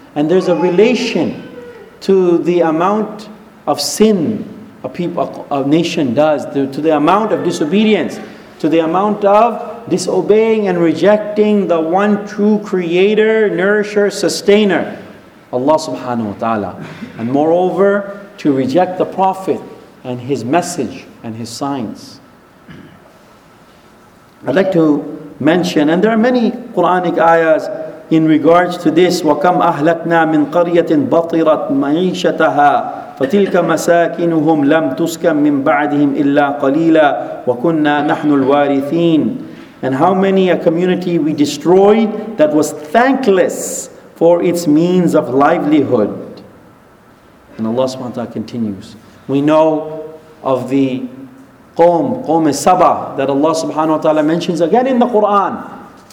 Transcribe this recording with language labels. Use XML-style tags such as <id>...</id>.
<en>And there's a relation to the amount of sin a nation does, to the amount of disobedience, to the amount of disobeying and rejecting the one true creator, nourisher, sustainer, Allah subhanahu wa ta'ala. And moreover, to reject the Prophet and his message and his signs. I'd like to mention, and there are many Quranic ayahs in regards to this,</en> <ar>وَكَمْ أَهْلَكْنَا مِنْ قَرْيَةٍ بَطِرَتْ مَعِيشَتَهَا فَتِلْكَ مَسَاكِنُهُمْ لَمْ تُسْكَمْ مِنْ بَعْدِهِمْ إِلَّا قَلِيلًا وَكُنَّا نَحْنُ الْوَارِثِينَ.</ar> <en>And how many a community we destroyed that was thankless for its means of livelihood. And Allah subhanahu wa ta'ala continues. We know of the Qawm Sabah, that Allah subhanahu wa ta'ala mentions again in the Quran.</en>